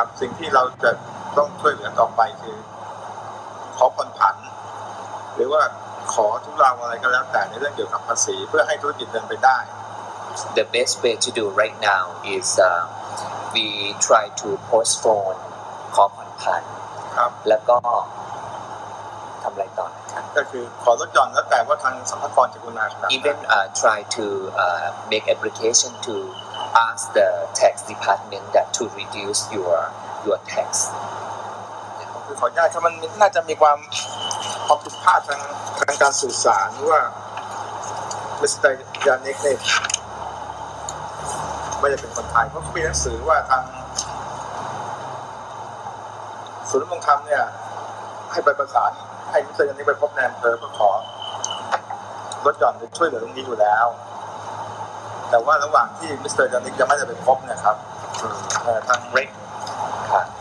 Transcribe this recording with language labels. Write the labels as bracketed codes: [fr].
[th] บสิ่งที่เราจะต้องช่วยเหลือต่อไปคือขอผ่อนผันหรือว่าขอทุเลาอะไรก็แล้วแต่ในเรื่องเกี่ยวกับภาษีเพื่อให้ธุรกิจเดินไปได้ [en] The best way to do right now is we try to postpone [th] ขอผ่อนผัน ครับ แล้วก็ทำอะไรต่อนะครับ ก็คือขอลดหย่อนแล้วแต่ว่าทางสรรพากรจะกรุณาครับ [en] Even try to make application to ask the tax department that to reduce your tax [th] ขออนุญาตครับมันน่าจะมีความผิดพลาดทางการสื่อสารว่า Mr. Yannick เนี่ยไม่ได้เป็นคนไทยเพราะมีหนังสือว่าทางศูนย์ดำรงธรรมเนี่ยให้ไปประสานให้มิสเตอร์ยานิกไปพบแนมเพอเพื่อขอลดหย่อนช่วยเหลือตรงนี้อยู่แล้วแต่ว่าระหว่างที่มิสเตอร์ยานิกจะไม่ได้ไปพบเนี่ยครับทาง